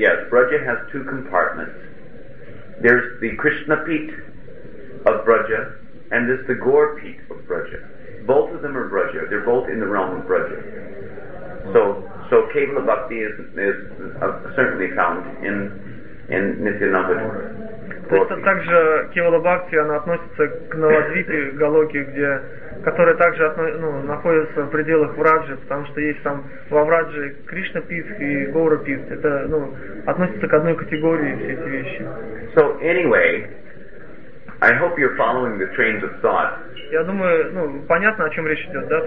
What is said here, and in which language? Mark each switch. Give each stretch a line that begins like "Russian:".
English: Braja has two compartments. There's the Krishna peet of Braja, and this the Gaur peet of Braja. Both of them are Braja. They're both in the realm of Braja. So kevala bhakti is certainly found in Nityanavadvipa.
Russian: То есть также кевала бхакти она относится к Навадвипе Галоке, где которая также находится в пределах Враджи, потому что есть там во Враджи Кришна пит и Гаур пит. Это относится к одной категории все эти вещи.
English: So anyway, I hope you're following the trains of thought.
Russian: Я думаю, ну, понятно, о чем речь идет, да?